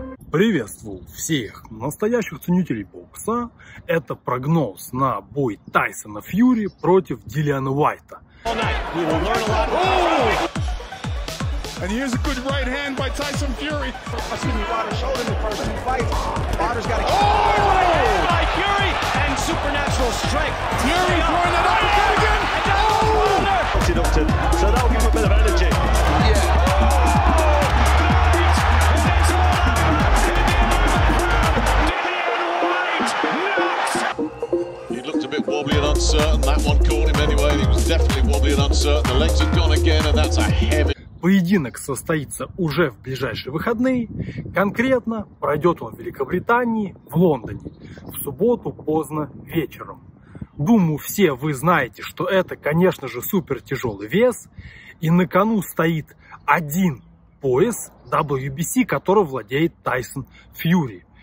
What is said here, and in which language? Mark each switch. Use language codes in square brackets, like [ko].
[ru] Приветствую всех настоящих ценителей бокса. Это прогноз на бой Тайсона Фьюри против Диллиана Уайта. [en] And here's a good right hand by Tyson Fury. Fury and supernatural strength. Fury throwing it up again. So that'll give him a bit of energy. Wobbly and uncertain. That one caught him anyway. He was definitely wobbly and uncertain. The legs are gone again, and that's a heavy. [ru] Поединок состоится уже в ближайшие выходные. Конкретно пройдет он в Великобритании, в Лондоне, в субботу поздно вечером. Думаю, все вы знаете, что это, конечно же, супер тяжелый вес. И на кону стоит один пояс WBC, которым владеет Тайсон Фьюри.